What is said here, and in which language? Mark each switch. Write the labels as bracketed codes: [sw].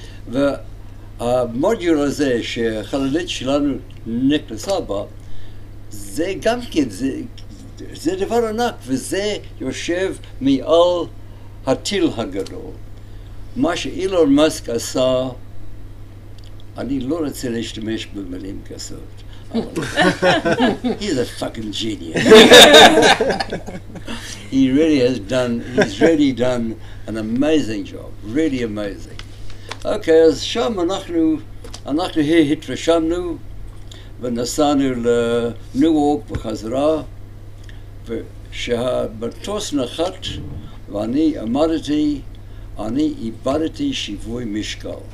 [he] והמודיול הזה שהחללית שלנו נכנסה בה, זה גם כן, זה דבר ענק, וזה יושב מעל הטיל הגדול. מה שאילון מסק עשה, אני לא רוצה להשתמש במילים כסות, אבל [en] he's a fucking genius. He really has done, he's really done an amazing job, really amazing. [he] Okay, אז שם אנחנו התרשמנו ונסענו לניו-יורק בחזרה, ושהמטוס נחת ואני עמדתי, אני איבדתי שיווי משקל.